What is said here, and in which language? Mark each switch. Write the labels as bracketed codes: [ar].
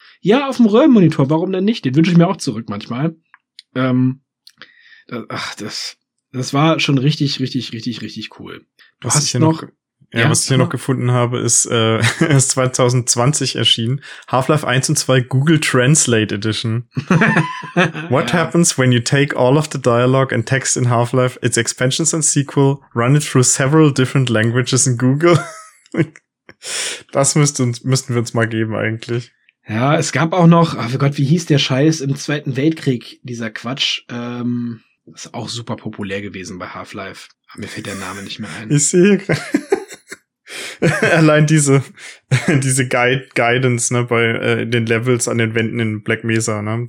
[de] Ja, auf dem Röhrenmonitor, warum denn nicht? Den wünsche ich mir auch zurück manchmal. Das war schon richtig, richtig, richtig, richtig cool. Was ich hier noch gefunden habe, ist 2020 erschienen. Half-Life 1 und 2 Google Translate Edition. [en] What happens when you take all of the dialogue and text in Half-Life, its expansions and sequel, run it through several different languages in Google? [de] Das müssten wir uns mal geben eigentlich. Ja, es gab auch noch, oh Gott, wie hieß der Scheiß im Zweiten Weltkrieg, dieser Quatsch. Ist auch super populär gewesen bei Half-Life. Aber mir fällt der Name nicht mehr ein. Ich sehe gerade. Allein diese Guidance, ne, bei den Levels an den Wänden in Black Mesa, ne?